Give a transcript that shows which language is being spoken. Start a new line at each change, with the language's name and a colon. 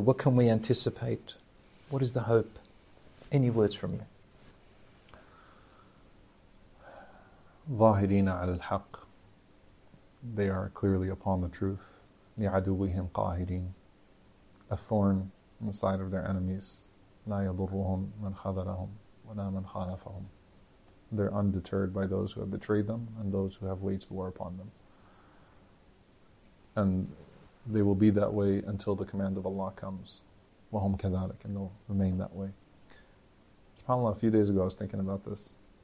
English: What can we anticipate? What is the hope? Any words from you?
Arabic: ظاهرين على الحق.
English: They are clearly upon the truth.
Arabic: لعدوهم قاهرين.
English: A thorn in the side of their enemies.
Arabic: لا يضرهم من خذلهم ولا من خالفهم.
English: They're undeterred by those who have betrayed them and those who have waged war upon them. And they will be that way until the command of Allah comes.
Arabic: وَهُمْ كَذَلِكَ
English: And they'll remain that way. SubhanAllah, a few days ago I was thinking about this.